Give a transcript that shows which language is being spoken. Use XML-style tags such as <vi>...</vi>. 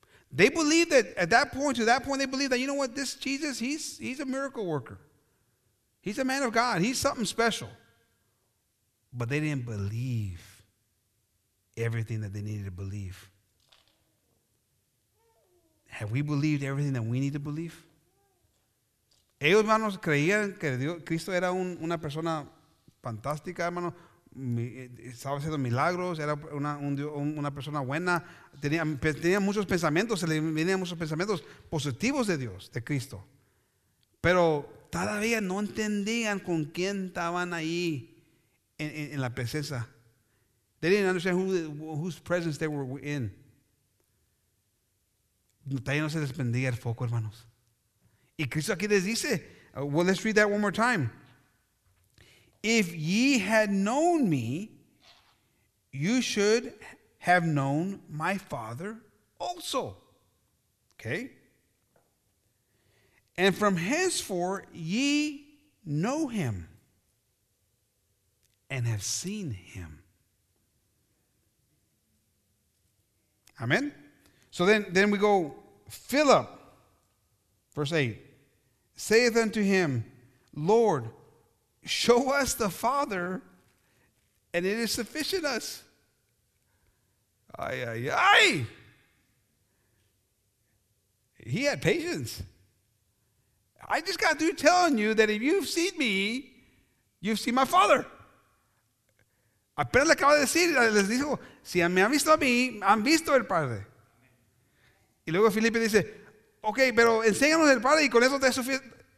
<en>They believed that at that point, they believed that, you know what, this Jesus, he's a miracle worker. He's a man of God. He's something special. But they didn't believe everything that they needed to believe. Have we believed everything that we need to believe?</en> <es>Ellos, hermanos, creían que Cristo era una persona fantástica, hermano. Estaba haciendo milagros, era una persona buena. Tenía muchos pensamientos, se le venían muchos pensamientos positivos de Dios, de Cristo. Pero todavía no entendían con quién estaban ahí en la presencia.</es> <en>They didn't understand whose presence they were in.</en> <es>Todavía no se les prendía el foco, hermanos. Y Cristo aquí les dice,</es> <en>well, let's read that one more time. If ye had known me, you should have known my Father also. Okay? And from henceforth ye know him and have seen him. Amen? So then we go, Philip, verse 8, saith unto him, Lord, show us the Father, and it is sufficient us. Ay, ay, ay. He had patience. I just got through telling you that if you've seen me, you've seen my Father.</en> <es>Apenas le acabo de decir, les dijo, si me han visto a mí, han visto el Padre. Y luego Felipe dice, ok, pero enséñanos el Padre y con eso te suficiente.</es>